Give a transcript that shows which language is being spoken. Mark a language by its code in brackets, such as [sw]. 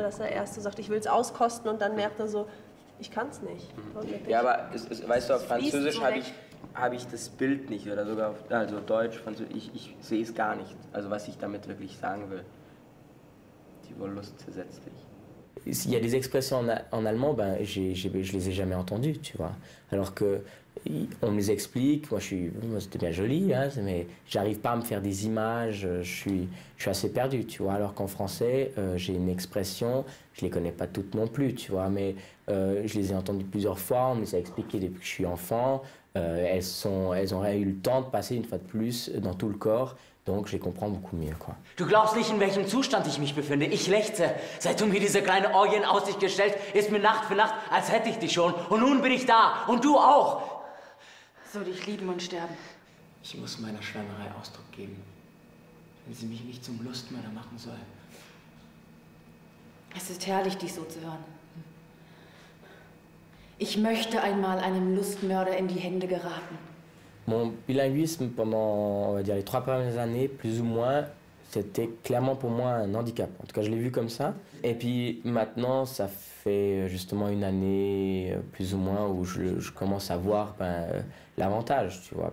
[de] Dass er erst so sagt, ich will's auskosten und dann merkt er so... Ich kann's nicht. Ja, aber es, weißt du, auf Französisch habe ich habe ich das Bild nicht oder sogar auf, also Deutsch, Französisch, ich sehe es gar nicht. Also was ich damit wirklich sagen will. Die Wollust zersetzt dich. [fr] Il y a des expressions en allemand, ben, je les ai jamais entendues, tu vois. Alors qu'on me les explique, moi c'était bien joli, hein, mais j'arrive pas à me faire des images, je suis assez perdu, tu vois. Alors qu'en français, j'ai une expression, je les connais pas toutes non plus, tu vois, mais je les ai entendues plusieurs fois, on me les a expliquées depuis que je suis enfant, elles ont eu le temps de passer une fois de plus dans tout le corps. Donc, je comprends beaucoup mieux, quoi. [de] Du glaubst nicht, in welchem Zustand ich mich befinde. Ich lechze. Seit du mir diese kleine Orgie in Aussicht gestellt, ist mir Nacht für Nacht, als hätte ich dich schon. Und nun bin ich da. Und du auch. Soll ich lieben und sterben? Ich muss meiner Schwärmerei Ausdruck geben. Wenn sie mich nicht zum Lustmörder machen soll. Es ist herrlich, dich so zu hören. Ich möchte einmal einem Lustmörder in die Hände geraten. [fr] Mon bilinguisme pendant, on va dire, les trois premières années, plus ou moins, c'était clairement pour moi un handicap. En tout cas, je l'ai vu comme ça. Et puis maintenant, ça fait justement une année, plus ou moins, où je commence à voir ben, l'avantage, tu vois.